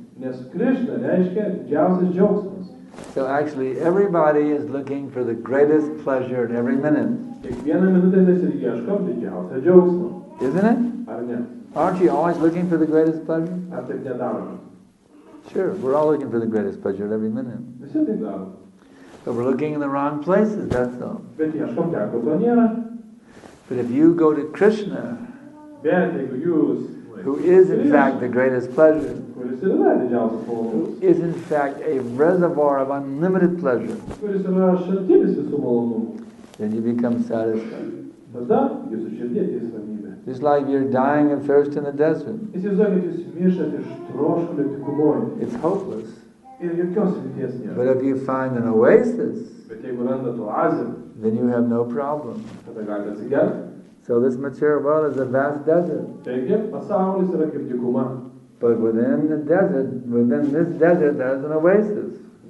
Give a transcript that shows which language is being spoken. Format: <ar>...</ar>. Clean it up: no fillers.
<lt>Nes Krishna reiškia didžiausias džiaugsmas.</lt> <en>So actually everybody is looking for the greatest pleasure at every minute.</en> <lt>Kiekvieną minutę mes ir ieškom didžiausią džiaugsmą.</lt> <en>Isn't it?</en> <lt>Ar ne?</lt> <en>Aren't you always looking for the greatest pleasure?</en> <lt>Ar taip nedarome?</lt> <en>Sure, we're all looking for the greatest pleasure at every minute.</en> <lt>Visi tai daro.</lt> <en>But we're looking in the wrong places, that's all.</en> <lt>Bet ieškom ten, kur to nėra.</lt> <en>But if you go to Krishna,</en> <lt>bet jeigu jūs,</lt> <en>who is in fact the greatest pleasure,</en> <lt>kuris yra didžiausias malonumas,</lt> <en>who is in fact a reservoir of unlimited pleasure,</en> <lt>kuris yra šaltinis visų malonumų,</lt> <en>then you become satisfied.</en> <lt>Tada jūsų širdyje ateis ramybė.</lt> <en>It's like you're dying of thirst in the desert. It's hopeless. But if you find an oasis, then you have no problem. So this material world is a vast desert. But within the desert, within this desert, there's an oasis.</en>